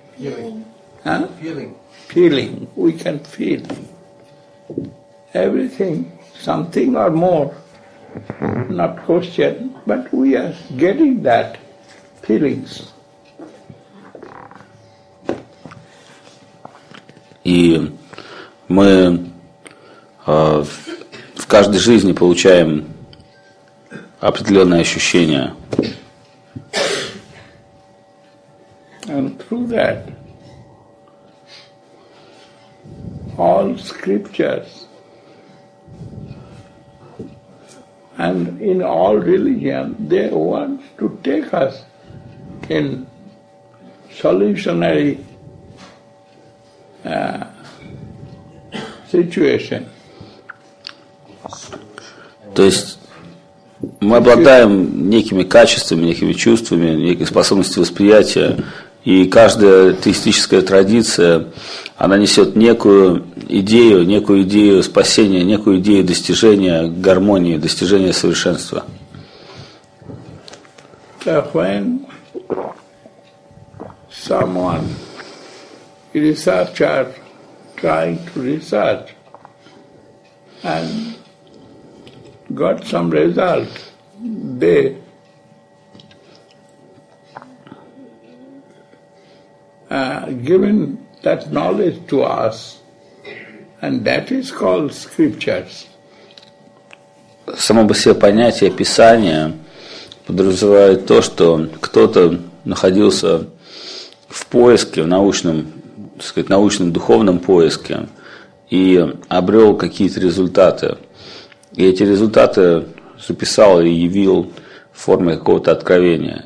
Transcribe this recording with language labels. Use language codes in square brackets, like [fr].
[en] feeling. Feeling. We can feel everything, something or more, not question, but we are getting that feelings. [ru] И мы в каждой жизни получаем определенные ощущения. [en] And through that, all scriptures and in all religion, they want to take us in solutionary situation. [ru] То есть мы обладаем некими качествами, некими чувствами, некой способностью восприятия. И каждая теистическая традиция, она несет некую идею спасения, некую идею достижения гармонии, достижения совершенства. [en] When someone, researcher, trying to research and got some result, they given that knowledge to us, and that is called scriptures. [ru] Само по себе понятие Писания подразумевает то, что кто-то находился в поиске, в научном, так сказать, научном духовном поиске и обрел какие-то результаты. И эти результаты записал и явил в форме какого-то откровения.